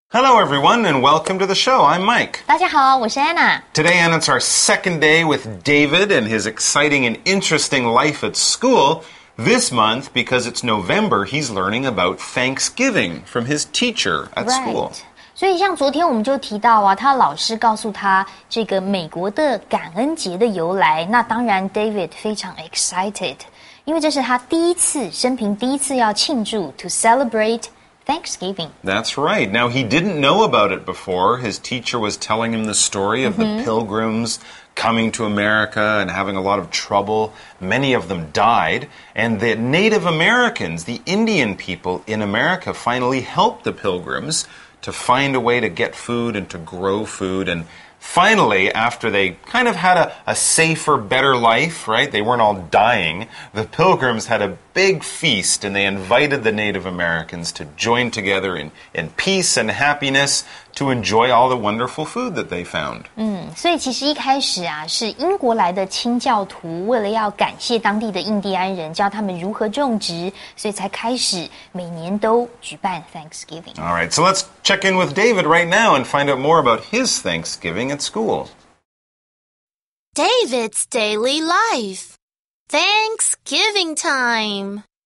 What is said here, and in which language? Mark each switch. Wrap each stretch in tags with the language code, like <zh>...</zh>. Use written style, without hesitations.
<en>Hello, everyone, and welcome to the show. I'm Mike.</en> <zh>大家好，我是 Anna.</zh> <en>Today, Anna, it's our second day with David and his exciting and interesting life at school. This month, because it's November, he's learning about Thanksgiving from his teacher at school. Right.</en> <zh>所以像昨天我们就提到啊，他老师告诉他这个美国的感恩节的由来。那当然 ，David 非常 excited， 因为这是他第一次生平第一次要庆祝</zh> <en>to celebrate. Thanksgiving. That's right. Now, he didn't know about it before. His teacher was telling him the story of、mm-hmm. the pilgrims coming to America and having a lot of trouble. Many of them died. And the Native Americans, the Indian people in America, finally helped the pilgrims to find a way to get food and to grow food. And finally, after they kind of had a safer, better life, right? They weren't all dying. The pilgrims had a big feast, and they invited the Native Americans to join together in peace and happiness to enjoy all the wonderful food that they found.</en> <zh>嗯，所以其实一开始啊，是英国来的清教徒为了要感谢当地的印第安人，教他们如何种植，所以才开始每年都举办 Thanksgiving.</zh> <en>All right, so let's check in with David right now and find out more about his Thanksgiving at school. David's daily life. Thanksgiving time!</en>